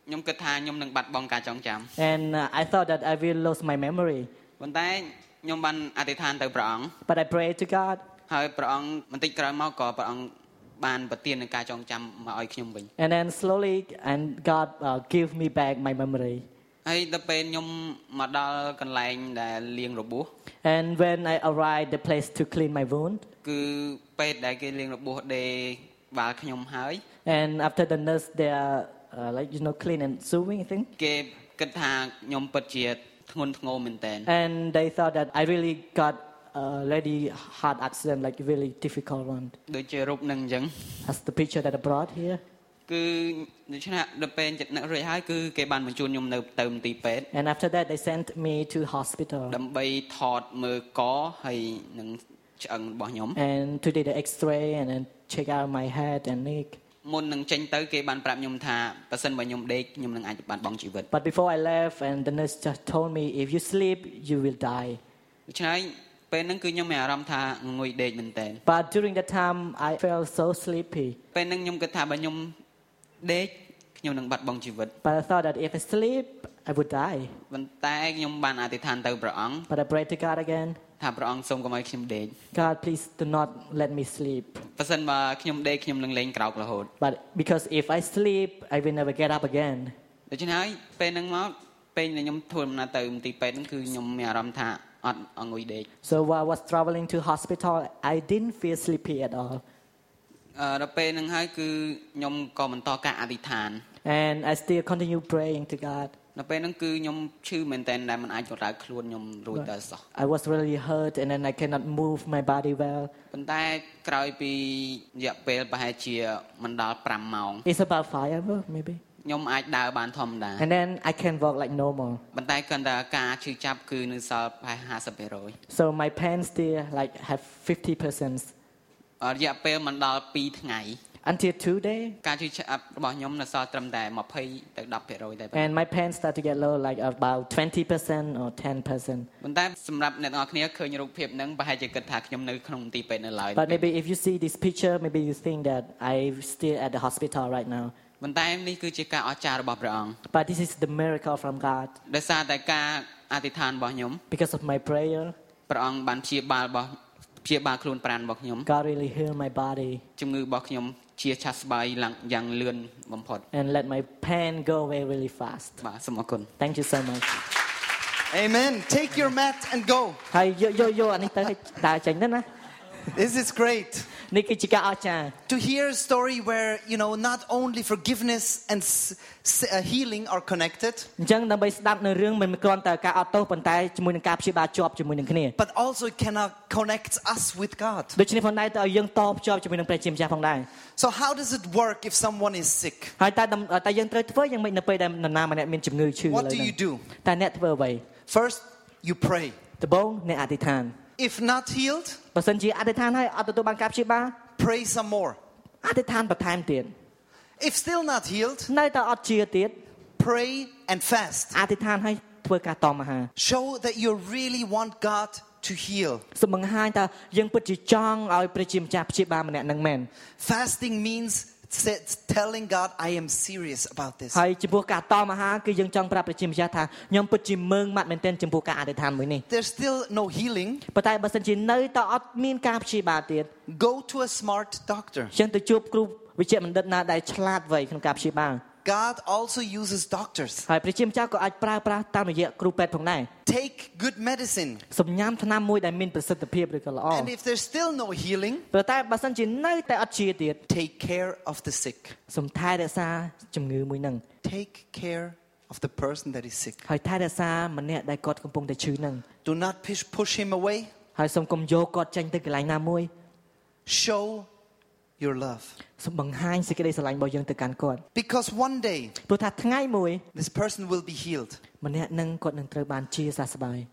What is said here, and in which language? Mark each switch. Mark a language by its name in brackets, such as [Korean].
[English] And I thought that I will lose my memory. But I prayed to God. And then slowly and God give me back my memory. [Khmer] ហើយដល់ពេលខ្ញុំមកដល់កន្លែងដែលលាងរបួស [English] And when I arrived the place to clean my wound [Khmer] គឺពេទ្យដែលគេលាងរបួសដេបាល់ខ្ញុំហើយ [English] And after the nurse they are like you know clean and sewing thing [Khmer] គេគិតថាខ្ញុំពិតជាធ្ងន់ធ្ងរមែនតើ [English] And they thought that I really got a really hard accident like really difficult one [Khmer] ដូចជារូបនឹងអញ្ចឹង [English] That's the picture that I brought here [Khmer] គឺដូច្នេះដល់ពេលចិត្តនឹករួចហើយគឺគេបានបញ្ជូនខ្ញុំនៅទៅមន្ទីរពេទ្យ [English] And after that they sent me to hospital [Khmer] ដើម្បីថតមើលកហើយនឹងឆ្អឹងរបស់ខ្ញុំ [English] And to take the x-ray and then check out my head and neck [Khmer] មុននឹងចេញទៅគេបានប្រាប់ខ្ញុំថាបើសិនបើខ្ញុំដេកខ្ញុំនឹងអាចបាត់បង់ជីវិត [English] But before I left and the nurse just told me if you sleep you will die [Khmer] ដូច្នេះពេលហ្នឹងគឺខ្ញុំមានអារម្មណ៍ថាងុយដេកមែនតើ [English] But during that time I felt so sleepy [Khmer] ពេលហ្នឹងខ្ញុំគិតថាបើខ្ញុំដេកខ្ញុំនឹងបាត់បង់ជីវិត [English] But I thought that if I sleep I would die [Khmer] ប៉ុន្តែខ្ញុំបានអធិដ្ឋានទៅព្រះអង្គ [English] But I prayed to God again [Khmer] ថាព្រះអង្គសូមកុំឲ្យខ្ញុំដេក [English] God please do not let me sleep [Khmer] បើសិនមកខ្ញុំដេកខ្ញុំនឹងលែងក្រោករហូត [English] But because if I sleep I will never get up again [Khmer] ដូច្នេះហើយពេលហ្នឹងមកពេលដែលខ្ញុំធ្វើដំណើរទៅមន្ទីរពេទ្យហ្នឹងគឺខ្ញុំមានអារម្មណ៍ថាអត់អង្គុយដេក [English] So while I was traveling to hospital I didn't feel sleepy at all [Khmer] ដល់ពេលហ្នឹងហើយគឺខ្ញុំក៏បន្តការអធិដ្ឋាន [English] And I still continue praying to God [Khmer] ដល់ពេលហ្នឹងគឺខ្ញុំឈឺមែនតើតែមិនអាចរើខ្លួនខ្ញុំរួចតែសោះ [English] I was really hurt and then I cannot move my body well [Khmer] ប៉ុន្តែក្រោយពីរយៈពេលប្រហែលជាមិនដល់5ម៉ោង [English] It's about 5 hours maybe [Khmer] ខ្ញុំអាចដើរបានធម្មតា [English] And then I can walk like normal [Khmer] ប៉ុន្តែគាត់ថាការឈឺចាប់គឺនៅសល់ប្រហែល 50% [English] So my pain still like have 50% [Khmer] រយៈពេលមិនដល់2ថ្ងៃ [English] Until 2 days [Khmer] ការជឿឆ្អឹបរបស់ខ្ញុំនៅសល់ត្រឹមតែ 20 ទៅ 10% តែប៉ុ [English] ណ្ណោះ And my pain start to get low like about 20% or 10% [Khmer] ប៉ុន្តែសម្រាប់អ្នកទាំងអស់គ្នាឃើញរូបភាពហ្នឹងប្រហែលជាគិតថាខ្ញុំនៅក្នុងទីពេទ្យនៅឡើយ [English] But maybe if you see this picture maybe you think that I still at the hospital right now [Khmer] ប៉ុន្តែនេះគឺជាការអស្ចារ្យរបស់ព្រះអង្គ [English] But this is the miracle from God [Khmer] ដោយសារតែការអធិដ្ឋានរបស់ខ្ញុំ [English] Because of my prayer [Khmer] ព្រះអង្គបានព្យាបាលរបស់ជាបាខ្លួនប្រានរបស់ខ្ញុំ [English] God really heal my body [Khmer] ជំងឺរបស់ខ្ញុំជាឆាប់ស្បើយឡើងយ៉ាងលឿនបំផុត [English] And let my pain go away really fast [Khmer] បាទសូមអរគុណ [English] Thank you so much Amen take your mat and go [Khmer] ហើយយកអានេះទៅដើរចេញទៅណា [English] This is great [Khmer] នេះគឺជាការអស្ចារ្យ [English] To hear a story where you know not only forgiveness and healing are connected [Khmer] អញ្ចឹងដើម្បីស្ដាប់នៅរឿងមិនគ្រាន់តែការអត់ទោសប៉ុន្តែជាមួយនឹងការព្យាបាលជាប់ជាមួយនឹងគ្នា [English] But also it cannot connect us with God [Khmer] ដូច្នេះផងដែរតើយើងតបជាប់ជាមួយនឹងព្រះជាម្ចាស់ផងដែរ [English] So how does it work if someone is sick [Khmer] ហើយតើយើងត្រូវធ្វើយ៉ាងម៉េចនៅពេលដែលនរណាម្នាក់មានជំងឺឈឺ [English] ឡើយ What do you do [Khmer] តើអ្នកធ្វើអ្វី [English] First you pray [Khmer] ដំបូងអ្នកអធិដ្ឋាន [English] If not healed, [Khmer] បើសិនជាអធិដ្ឋានហើយអត់ទទួលបានការព្យាបាល [English] Pray some more. [Khmer] អធិដ្ឋានបន្ថែមទៀត [English] If still not healed, [Khmer] នៅតែអត់ជាទៀត [English] Pray and fast. [Khmer] អធិដ្ឋានហើយធ្វើការតមអាហារ [English] Show that you really want God to heal. [Khmer] សម្ងាញ់ថាយើងពិតជាចង់ឲ្យព្រះជាម្ចាស់ព្យាបាលម្នាក់នឹងមែន [English] Fasting means telling God I am serious about this. [Khmer] ហើយចំពោះការតមអាហារគឺយើងចង់ប្រាប់ព្រះជាម្ចាស់ថាខ្ញុំពិតជាមើងម៉ាត់មែនទែនចំពោះការអធិដ្ឋានមួយនេះ [English] There's still no healing. [Khmer] ប៉ុន្តែបើសិនជានៅតែអត់មានការព្យាបាលទៀត [English] Go to a smart doctor. [Khmer] ចង់ទៅជួបគ្រូវេជ្ជបណ្ឌិតណាដែលឆ្លាតវៃក្នុងការព្យាបាល [English] God also uses doctors. [Khmer] ហើយព្រះជាម្ចាស់ក៏អាចប្រើប្រាស់តាមរយៈគ្រូពេទ្យផងដែរ [English] Take good medicine. [Khmer] សំញាំថ្នាំមួយដែលមានប្រសិទ្ធភាពឬក៏ល្អ [English] And if there's still no healing, [Khmer] ប៉ុន្តែបើសិនជានៅតែអត់ជាទៀត [English] Take care of the sick. [Khmer] សំថែរក្សាជំងឺមួយហ្នឹង [English] Take care of the person that is sick. [Khmer] ហើយថែរក្សាម្នាក់ដែលគាត់កំពុងតែឈឺហ្នឹង [English] Do not push him away. [Khmer] ហើយសូមកុំយកគាត់ចេញទៅកន្លែងណាមួយ [English] Show your love. [Khmer] សូមបង្ហាញសេចក្តីស្រឡាញ់របស់យើងទៅកាន់គាត់ [English] Because one day [Khmer] ព្រោះថាថ្ងៃមួយ [English] this person will be healed. [Khmer] ម្នាក់នឹងគាត់នឹងត្រូវបានជាសះស្បើយ